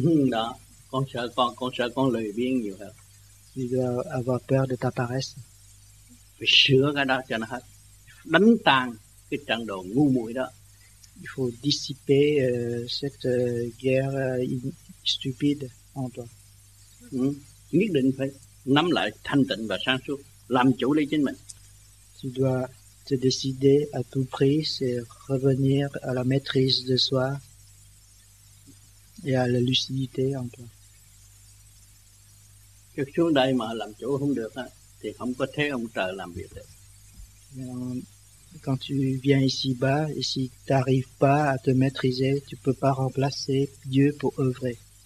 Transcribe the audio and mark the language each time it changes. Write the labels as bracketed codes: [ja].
[vi] Đó, con sợ con lười biếng nhiều hơn. [fr] Tu dois avoir peur de ta paresse. [vi] Phải sửa cái đó cho nó hết. Đánh tan cái trận đồ ngu muội đó. [fr] Il faut dissiper cette guerre stupide en toi. [vi] Nhất định phải nắm lại thanh tịnh và sáng suốt, làm chủ lấy chính mình. [fr] Tu dois te décider à tout prix, c'est revenir à la maîtrise de soi et à la lucidité en toi. [vi] Chứ xuống đây mà làm chủ không được á, thì không có thế ông trời làm việc được. [fr] Quand tu viens ici-bas, et si tu n'arrives pas à te maîtriser, tu ne peux pas remplacer Dieu pour œuvrer.